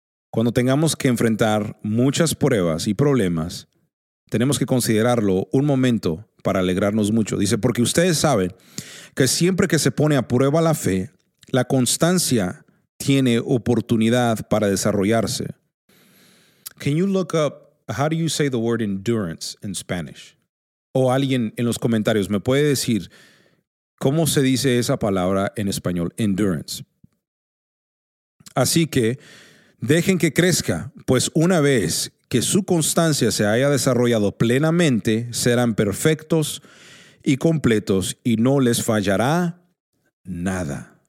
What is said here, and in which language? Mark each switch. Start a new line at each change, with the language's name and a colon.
Spanish: Cuando tengamos que enfrentar muchas pruebas y problemas, tenemos que considerarlo un momento para alegrarnos mucho. Dice, porque ustedes saben que siempre que se pone a prueba la fe, la constancia tiene oportunidad para desarrollarse.
English: Can you look up how do you say the word endurance in Spanish?
Spanish: O alguien en los comentarios me puede decir cómo se dice esa palabra en español, endurance. Así que dejen que crezca, pues una vez que su constancia se haya desarrollado plenamente, serán perfectos y completos y no les fallará nada.